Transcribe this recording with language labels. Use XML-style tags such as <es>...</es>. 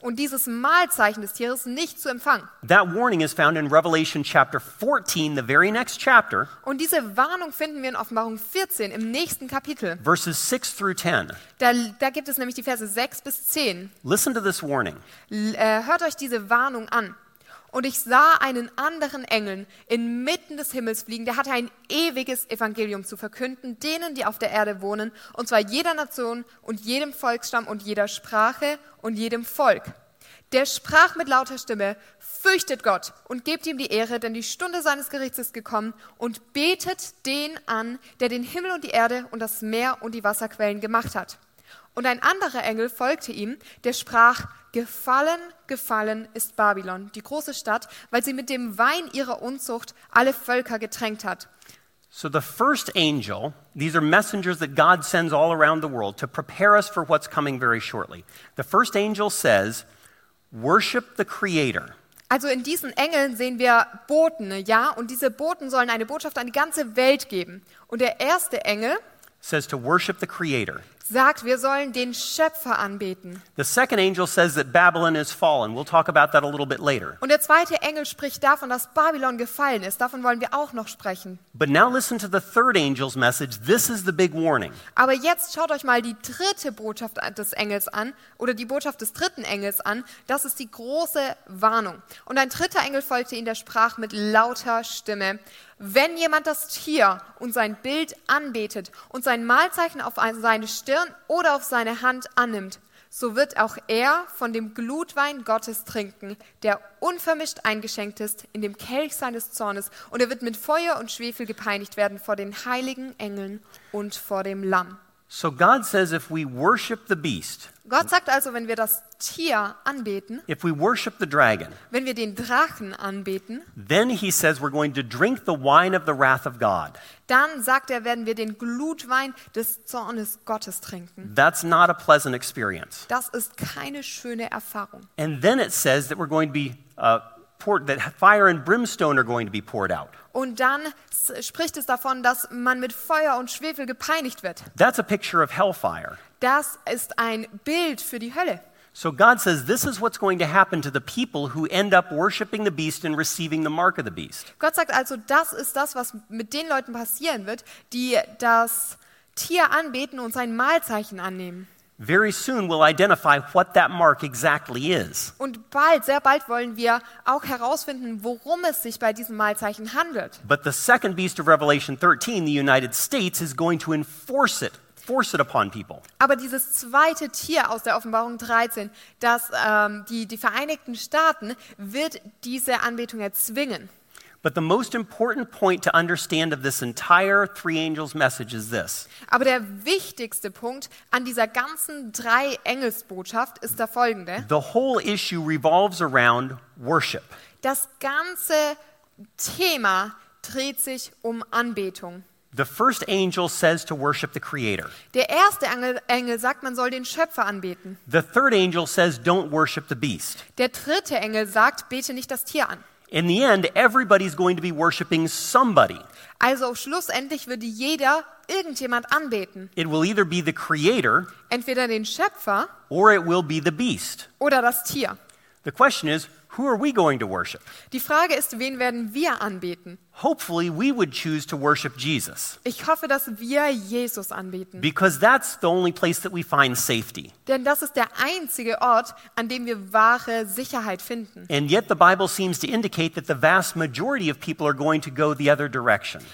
<de>Und dieses Malzeichen des Tieres nicht zu empfangen.</de> <en>That warning is found in Revelation chapter 14, the very next chapter.</en> <de>Und diese Warnung finden wir in Offenbarung 14, im nächsten Kapitel.</de> <en>Verses 6 through 10.</en> <de>Da gibt es nämlich die Verse 6 bis 10.</de> <en>Listen to this warning.</en> <de>Hört euch diese Warnung an. Und ich sah einen anderen Engel inmitten des Himmels fliegen, der hatte ein ewiges Evangelium zu verkünden, denen, die auf der Erde wohnen, und zwar jeder Nation und jedem Volksstamm und jeder Sprache und jedem Volk. Der sprach mit lauter Stimme, fürchtet Gott und gebt ihm die Ehre, denn die Stunde seines Gerichts ist gekommen, und betet den an, der den Himmel und die Erde und das Meer und die Wasserquellen gemacht hat. Und ein anderer Engel folgte ihm, der sprach, gefallen, gefallen ist Babylon, die große Stadt, weil sie mit dem Wein ihrer Unzucht alle Völker getränkt hat.</de> <en>So the first angel, these are messengers that God sends all around the world to prepare us for what's coming very shortly. The first angel says, worship the Creator.</en> <de>Also in diesen Engeln sehen wir Boten, ja, und diese Boten sollen eine Botschaft an die ganze Welt geben. Und der erste Engel</de> <en>says to worship the Creator.</en> <de>Sagt, wir sollen den Schöpfer anbeten.</de> <en>The second angel says that Babylon is fallen. We'll talk about that a little bit later.</en> <de>Und der zweite Engel spricht davon, dass Babylon gefallen ist. Davon wollen wir auch noch sprechen.</de> <en>But now listen to the third angel's message. This is the big warning.</en> <de>Aber jetzt schaut euch mal die dritte Botschaft des Engels an, oder die Botschaft des dritten Engels an. Das ist die große Warnung. Und ein dritter Engel folgte ihm, der sprach mit lauter Stimme. Wenn jemand das Tier und sein Bild anbetet und sein Malzeichen auf seine Stirn oder auf seine Hand annimmt, so wird auch er von dem Glutwein Gottes trinken, der unvermischt eingeschenkt ist in dem Kelch seines Zornes, und er wird mit Feuer und Schwefel gepeinigt werden vor den heiligen Engeln und vor dem Lamm.</de> <en>So God says if we worship the beast.</en> <de>Gott sagt also, wenn wir das Tier anbeten.</de> <en>If we worship the dragon.</en> <de>Wenn wir den Drachen anbeten.</de> <en>Then he says we're going to drink the wine of the wrath of God.</en> <de>Dann sagt er, werden wir den Glutwein des Zornes Gottes trinken.</de> <en>That's not a pleasant experience.</en> <de>Das ist keine schöne Erfahrung.</de> <en>And then it says that we're going to be that fire and brimstone are going to be poured out.</en> <de>Und dann spricht es davon, dass man mit Feuer und Schwefel gepeinigt wird.</de> <en>That's a picture of hellfire.</en> <de>Das ist ein Bild für die Hölle.</de> <en>So God says this is what's going to happen to the people who end up worshiping the beast and receiving the mark of the beast.</en> <de>Gott sagt also, das ist das, was mit den Leuten passieren wird, die das Tier anbeten und sein Malzeichen annehmen.</de> <en>Very soon we'll identify what that mark exactly is.</en> <de>Und bald, sehr bald wollen wir auch herausfinden, worum es sich bei diesem Malzeichen handelt.</de> <en>But the second beast of Revelation 13, the United States, is going to enforce it upon people.</en> <de>Aber dieses zweite Tier aus der Offenbarung 13, das die Vereinigten Staaten, wird diese Anbetung erzwingen.</de> <en>But the most important point to understand of this entire three angels message is this.</en> <de>Aber der wichtigste Punkt an dieser ganzen drei Engelsbotschaft ist der folgende.</de> <en>The whole issue revolves around worship.</en> <de>Das ganze Thema dreht sich um Anbetung.</de> <en>The first angel says to worship the creator.</en> <de>Der erste Engel sagt, man soll den Schöpfer anbeten.</de> <en>The third angel says don't worship the beast.</en> <de>Der dritte Engel sagt, bete nicht das Tier an.</de> <en>In the end, everybody's going to be worshiping somebody.</en> <de>Also schlussendlich wird jeder irgendjemand anbeten.</de> <en>It will either be the creator,</en> <de>entweder den Schöpfer,</de> <en>or it will be the beast,</en> <de>oder das Tier.</de> <en>The question is, who are we going to worship?</en> <de>Die Frage ist, wen werden wir anbeten?</de> <en>Hopefully, we would choose to worship Jesus.</en> <de>Ich hoffe, dass wir Jesus anbeten.</de> <en>Because that's the only place that we find safety.</en> <de>Denn das ist der einzige Ort, an dem wir wahre Sicherheit finden.</de> <en>And yet, the Bible seems to indicate that the vast majority of people are going to go the other direction.</en>